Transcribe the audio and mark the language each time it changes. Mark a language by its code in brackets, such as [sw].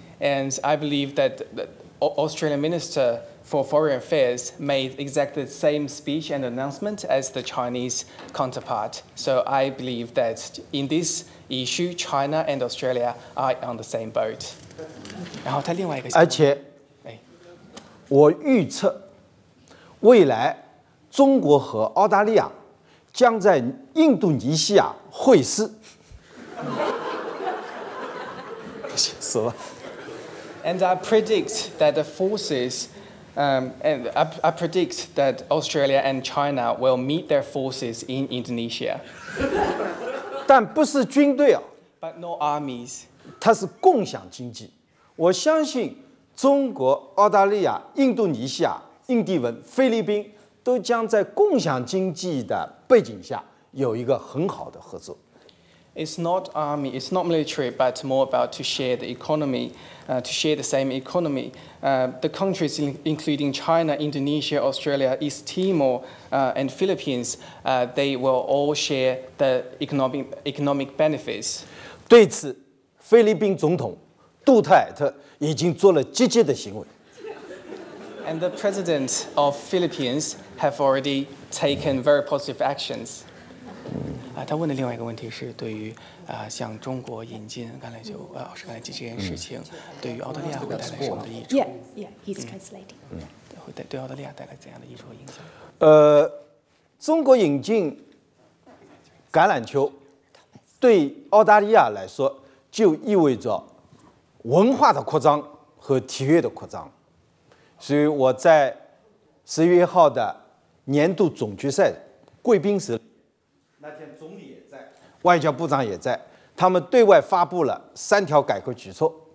[en] And I believe that the Australian Minister for Foreign Affairs made exactly the same speech and announcement as the Chinese counterpart. So I believe that in this issue, China and Australia are on the same boat. [zh] 然后他另外一个而且我预测未来中国和澳大利亚将在印度尼西亚会师。死了。 [en] And I predict that the forces, and I predict that Australia and China will meet their forces in Indonesia. [zh] 但不是军队啊。 [en] But no armies. [zh] 它是共享经济。我相信中国、澳大利亚、印度尼西亚、印地文、菲律宾都将在共享经济的背景下有一个很好的合作。 [en] It's not army, it's not military, but more about to share the economy, to share the same economy. The countries including China, Indonesia, Australia, East Timor, and Philippines, they will all share the economic benefits. [zh] 对此，菲律宾总统杜特尔特已经做了积极的行为。 [en] And the president of Philippines have already taken very positive actions. [zh] 他问的另外一个问题是对于向中国引进，刚才就老师刚才提起这件事情，对于澳大利亚会带来什么的益处 [en] ？Yeah, he's translating. [zh] 会对澳大利亚带来怎样的益处和影响？中国引进橄榄球，对澳大利亚来说就意味着文化的扩张和体育的扩张，所以我在11号的年度总决赛贵宾时，那天总理也在，外交部长也在，他们对外发布了3条改革举措。